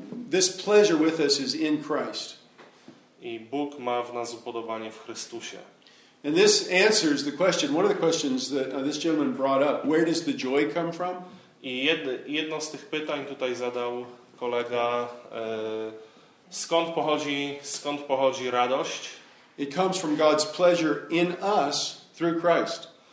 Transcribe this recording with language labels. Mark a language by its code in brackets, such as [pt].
[en] This pleasure with us is in Christ. [pl] I Bóg ma w nas upodobanie w Chrystusie. [en] And this answers the question, one of the questions that this gentleman brought up, where does the joy come from? [pl] I jedno z tych pytań tutaj zadał kolega, skąd pochodzi radość? [en] It comes from God's pleasure in us through Christ.